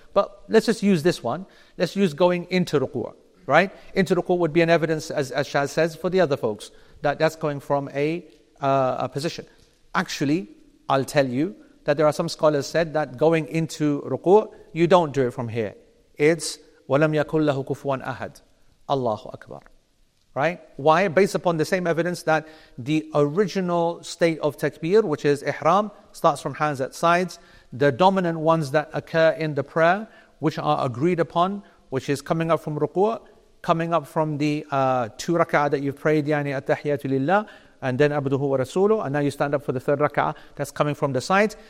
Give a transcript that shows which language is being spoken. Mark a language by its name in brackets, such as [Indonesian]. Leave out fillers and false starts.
[English] But let's just use this one. Let's use going into ruku'ah. Right? Into ruku' would be an evidence, as Shaz says, for the other folks, that that's going from a position. Actually, I'll tell you that there are some scholars said that going into ruku', you don't do it from here. It's [Arabic] وَلَمْ يَكُلْ لَهُ كُفُوًا أَحَدٌ Allahu Akbar. [English] Right? Why? Based upon the same evidence that the original state of takbir, which is ihram, starts from hands at sides. The dominant ones that occur in the prayer, which are agreed upon, which is coming up from ruku', coming up from the two rak'ah that you've prayed, [Arabic] yani at-tahiyyatu lillah, [English] and then [Arabic] abduhu wa rasuluh, [English] and now you stand up for the third rak'ah, that's coming from the sides.